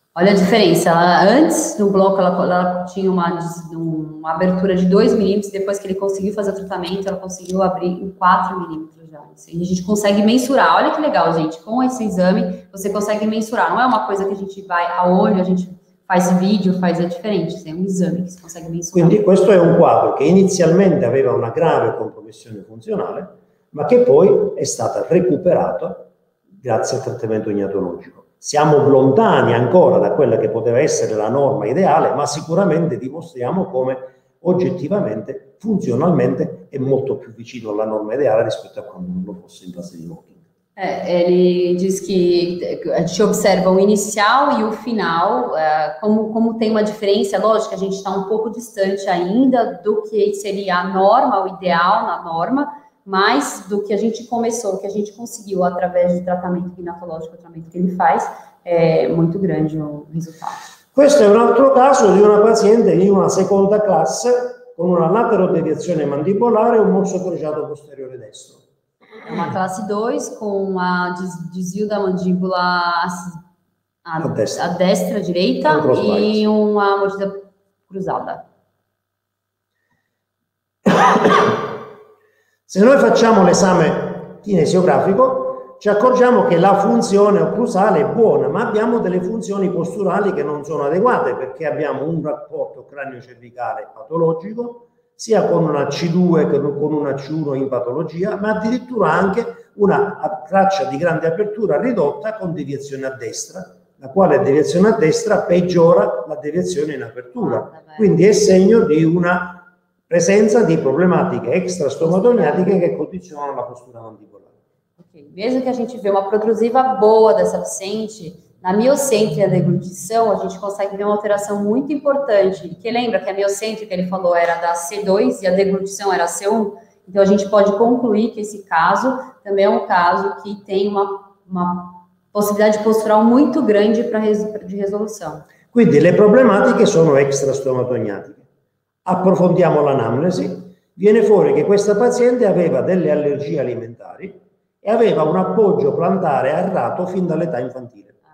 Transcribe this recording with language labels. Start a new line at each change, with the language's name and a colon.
Portuguese: Olha a diferença, antes do bloco ela tinha uma abertura de 2 milímetros, depois que ele conseguiu fazer o tratamento, ela conseguiu abrir em 4 milímetros já. E a gente consegue mensurar, olha que legal, gente, com esse exame você consegue mensurar, não é uma coisa que a gente vai a olho, a gente faz vídeo, faz, é diferente, é um exame que você consegue mensurar.
Italian: Quindi questo è un quadro che inizialmente aveva una grave compromissione funzionale, ma che poi è stata recuperata grazie al trattamento gnatologico. Siamo lontani ancora da quella che poteva essere la norma ideale, ma sicuramente dimostriamo come oggettivamente, funzionalmente, è molto più vicino alla norma ideale rispetto a quando non lo fosse in fase di locking.
Portuguese: Ele diz que a gente observa o inicial e o final, como tem uma diferença, lógico, a gente está um pouco distante ainda do que seria a norma, o ideal na norma, mais do que a gente começou, que a gente conseguiu através do tratamento ginecológico, o tratamento que ele faz, é muito grande o resultado. Questo é um outro caso de uma paciente em uma segunda classe, com uma laterodeviazione mandibular e um osso cruciato posterior destro. É uma classe 2 com a desvio da mandíbula a destra, a direita, e uma mordida cruzada.
Italian: Se noi facciamo l'esame kinesiografico, ci accorgiamo che la funzione occlusale è buona, ma abbiamo delle funzioni posturali che non sono adeguate, perché abbiamo un rapporto cranio-cervicale patologico, sia con una C2 che con una C1 in patologia, ma addirittura anche una traccia di grande apertura ridotta con deviazione a destra, la quale deviazione a destra peggiora la deviazione in apertura. Quindi è segno di una presenza di problematiche extrastomatoniatiche che condizionano la postura mandibolare. Okay.
Portuguese: Mesmo che a gente vê uma protrusiva boa dessa paciente, na miocêntrica deglutição, a gente consegue ver uma alteração muito importante. Que lembra que a miocêntrica, ele falou, era da C2 e a deglutição era C1? Então, a gente pode concluir que esse caso também é um caso que tem uma possibilidade postural muito grande para de resolução.
Italian: Quindi, le problematiche sono extrastomatognatiche. Approfondiamo l'anamnesi. Viene fuori che questa paziente aveva delle allergie alimentari e aveva un appoggio plantare errato fin dall'età infantile.